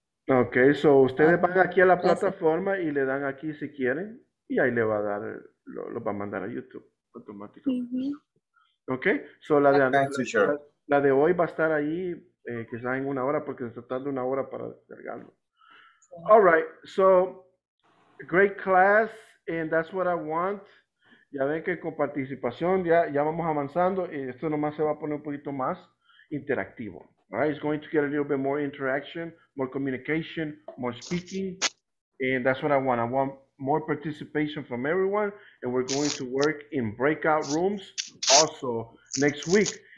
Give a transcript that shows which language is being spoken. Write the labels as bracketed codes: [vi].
[es] Ok, so ustedes van aquí a la plataforma y le dan aquí si quieren y ahí le va a dar, lo va a mandar a YouTube automáticamente. Uh-huh. Ok, so la de hoy va a estar ahí quizás en una hora porque se está dando una hora para descargarlo. Uh-huh. [en] All right, so great class and that's what I want. [es] Ya ven que con participación ya vamos avanzando. Esto nomás se va a poner un poquito más interactivo. [en] Right? It's going to get a little bit more interaction, more communication, more speaking. And that's what I want. I want more participation from everyone. And we're going to work in breakout rooms also next week.